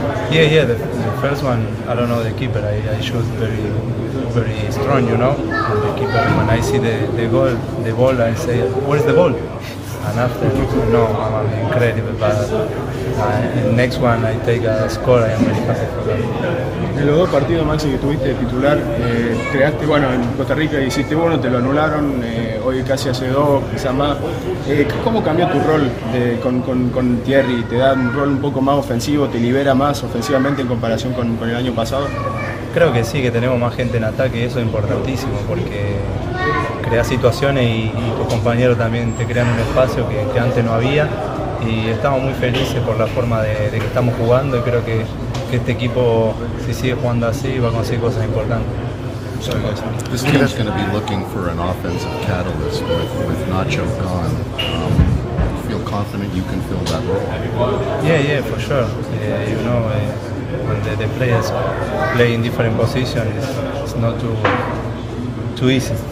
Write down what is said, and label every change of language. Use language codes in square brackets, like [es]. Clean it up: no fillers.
[en] Yeah, the first one, I don't know the keeper. I shoot very, very strong, you know, and the keeper. When I see the ball, I say, where's the ball? And after, no, I'm incredible, but next one, I take a score, I am very happy for that. [es] En los dos partidos, Maxi, que tuviste de titular, creaste, bueno, en Costa Rica hiciste uno, te lo anularon, hoy casi hace dos, quizás más. ¿Cómo cambió tu rol con Thierry? ¿Te da un rol un poco más ofensivo, te libera más ofensivamente en comparación con el año pasado? Creo que sí, que tenemos más gente en ataque, y eso es importantísimo, porque creas situaciones y tus compañeros también te crean un espacio que antes no había, y estamos muy felices por la forma de que estamos jugando, y creo que este equipo, si sigue jugando así, va a conseguir cosas importantes. [en] This team is going to be looking for an offensive catalyst with Nacho gone. Feel confident you can fill that role? Yeah, for sure. You know, when the players play in different positions, it's not too easy.